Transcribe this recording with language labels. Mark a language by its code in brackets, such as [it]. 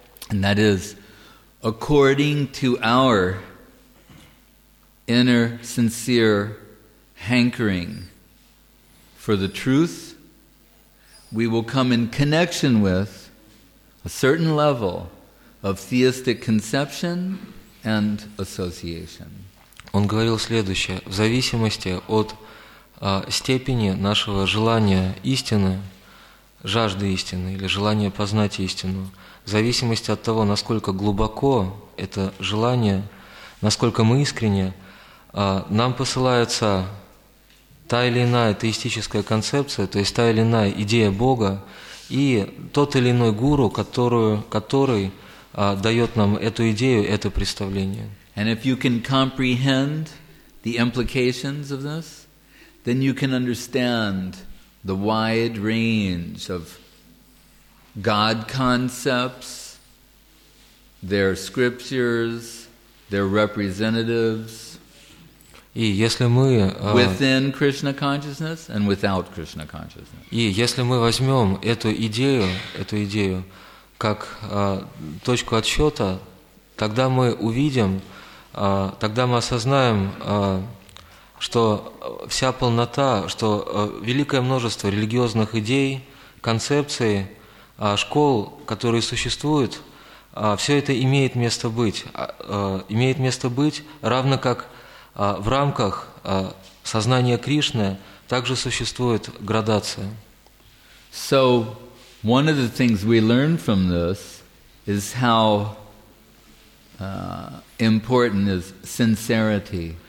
[en] And that is, according to our inner sincere hankering for the truth, we will come in connection with a certain level of theistic conception and association. [ru] Он говорил следующее. В зависимости от степени нашего желания истины, жажды истины или желание познать истину. В зависимости от того, насколько глубоко это желание, насколько мы искренне, нам посылается та или иная теистическая концепция, то есть та или иная идея Бога и тот или иной гуру, который дает нам эту идею, это представление. [en] And if you can comprehend the implications of this, then you can understand the wide range of God concepts, their scriptures, their representatives, [ru] и если мы, [en] within Krishna consciousness and without Krishna consciousness. [ru] И если мы возьмем эту идею как точку отсчета, тогда мы увидим, тогда мы осознаем, что вся полнота, что великое множество религиозных идей, концепций, школ, которые существуют, все это имеет место быть. Имеет место быть, равно как в рамках сознания Кришны также существует градация. [en] So, one of the things we learn from this is how important is sincerity.